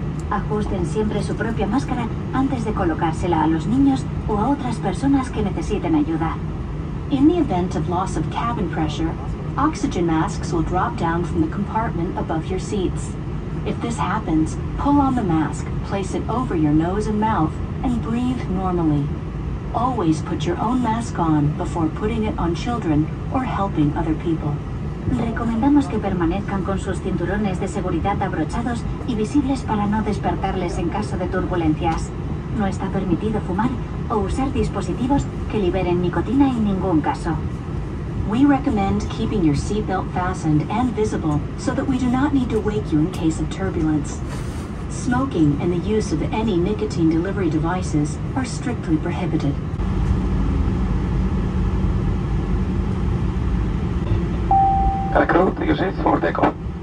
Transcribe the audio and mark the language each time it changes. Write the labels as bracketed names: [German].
[Spanish] Ajusten siempre su propia máscara antes de colocársela a los niños o a otras personas que necesiten ayuda. [English] In the event of loss of cabin pressure, oxygen masks will drop down from the compartment above your seats. If this happens, pull on the mask, place it over your nose and mouth, and breathe normally. Always put your own mask on before putting it on children or helping other people. [Spanish] Recomendamos que permanezcan con sus cinturones de seguridad abrochados y visibles para no despertarles en caso de turbulencias. No está permitido fumar o usar dispositivos que liberen nicotina en ningún caso. [English] We recommend keeping your seatbelt fastened and visible so that we do not need to wake you in case of turbulence. Smoking and the use of any nicotine delivery devices are strictly prohibited. Can I crew, to your seats for takeoff.